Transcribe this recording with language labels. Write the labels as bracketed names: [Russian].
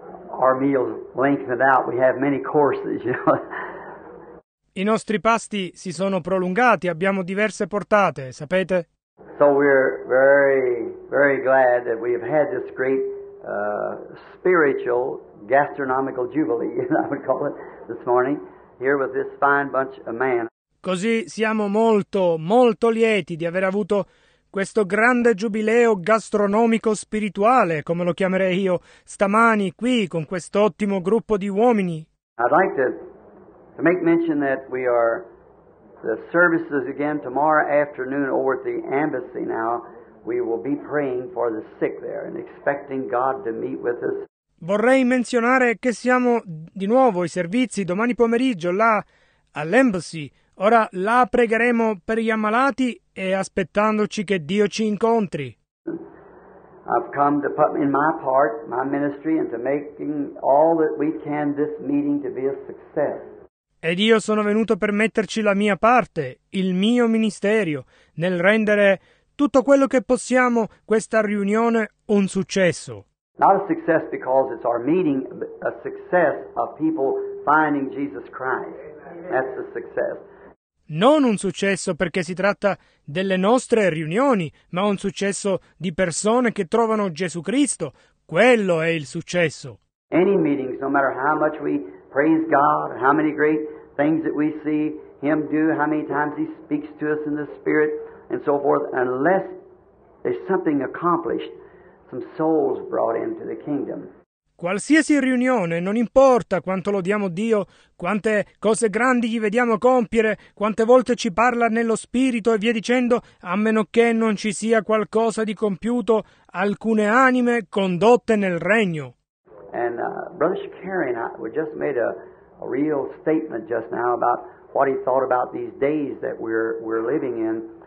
[English] Our meals lengthened out. We have many courses, you know. [Italian] I nostri pasti si sono prolungati, abbiamo diverse portate, sapete? [English] So we're very, very glad that we have had this great spiritual gastronomical jubilee, I would call it, this morning, here with this fine bunch of men. [Italian] Così siamo molto, molto lieti di aver avuto questo grande giubileo gastronomico spirituale, come lo chiamerei io, stamani qui con quest'ottimo gruppo di uomini. [English] I'd like to make mention that we are. The services again tomorrow afternoon over at the embassy now. We will be praying for the sick there and expecting God to meet with us. [Italian] Vorrei menzionare che siamo di nuovo i servizi domani pomeriggio là all'embassy. Ora là pregheremo per gli ammalati e aspettandoci che Dio ci incontri. [English] I've come to put in my part, my ministry, and to making all that we can this meeting to be a success. [Italian] Ed io sono venuto per metterci la mia parte, il mio ministero, nel rendere tutto quello che possiamo questa riunione un successo. [English] Not a success because it's our meeting, but a success of people finding Jesus Christ. That's the success. [Italian] non un successo perché si tratta delle nostre riunioni, ma un successo di persone che trovano Gesù Cristo. Quello è il successo. [English] Any meetings, no matter how much we praise God, how many great things that we see Him do, how many times He speaks to us in the Spirit, and so forth, unless there's something accomplished, some souls brought into the kingdom. [Italian] Qualsiasi riunione, non importa quanto lodiamo Dio, quante cose grandi gli vediamo compiere, quante volte ci parla nello Spirito e via dicendo, a meno che non ci sia qualcosa di compiuto, alcune anime condotte nel Regno. [English] And Brother Shakarian, we just made a real statement just now about what he thought about these days that we're living in.